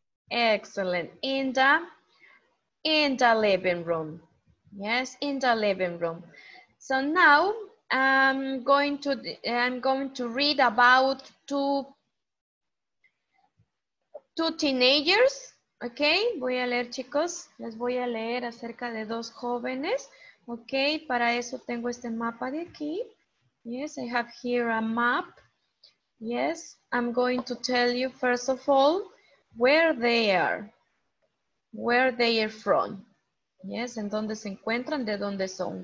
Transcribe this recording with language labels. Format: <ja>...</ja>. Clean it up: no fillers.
<en>Excellent. In the living room. Yes, in the living room. So now I'm going to read about two teenagers.</en> <es>Okay, voy a leer, chicos. Les voy a leer acerca de dos jóvenes. Okay, para eso tengo este mapa de aquí.</es> <en>Yes, I have here a map. Yes, I'm going to tell you first of all where they are. Where they are from.</en> <es>Yes, en dónde se encuentran, de dónde son.</es>